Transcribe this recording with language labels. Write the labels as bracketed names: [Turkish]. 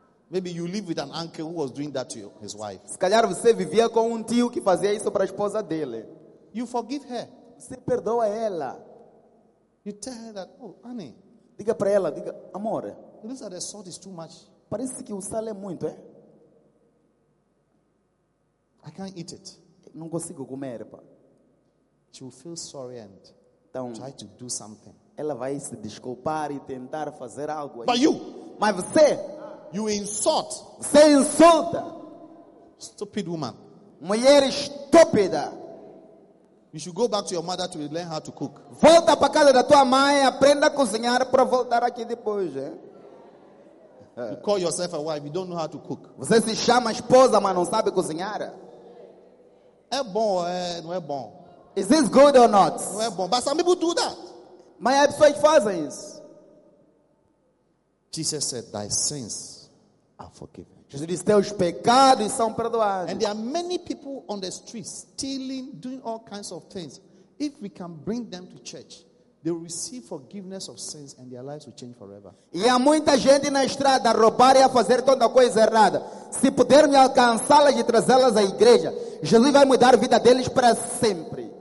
[English] Maybe you live with an uncle who was doing that to his wife. [Portuguese] Se calhar você vivia com um tio que fazia isso para a esposa dele. [English] You forgive her. [Portuguese] Você perdoa ela. [English] You tell her that, oh, honey. [Portuguese] Diga para ela, diga, amor. [English] It looks like the salt is too much. [Portuguese] Parece que o sal é muito, é? [English] I can't eat it. [Portuguese] Não consigo comer, pá. [English] She will feel sorry and [Portuguese] então, [English] try to do something. [Portuguese] Ela vai se desculpar e tentar fazer algo. [English] But you, [Portuguese] mas você, [English] you insult. [Portuguese] Você insulta. [English] Stupid woman. [Portuguese] Mulher estúpida. [English] You should go back to your mother to learn how to cook. [Portuguese] Volta para casa da tua mãe, aprenda a cozinhar para voltar aqui depois, é? [English] You call yourself a wife, you don't know how to cook. [Portuguese] Você se chama esposa, mas não sabe cozinhar. É bom, é, não é bom. [English] Is this good or not? [Portuguese] Não é bom, [English] but some people do that. [Portuguese] Mas há pessoas que fazem isso. [English] Jesus said, thy sins are forgiven. [Portuguese] Jesus disse, teus pecados são perdoados. [English] And there are many people on the streets stealing, doing all kinds of things. If we can bring them to church, they will receive forgiveness of sins and their lives will change forever. [Portuguese] E há muita gente na estrada a roubar e a fazer toda coisa errada. Se pudermos alcançá-las e trazê-las à igreja, Jesus vai mudar a vida deles para sempre.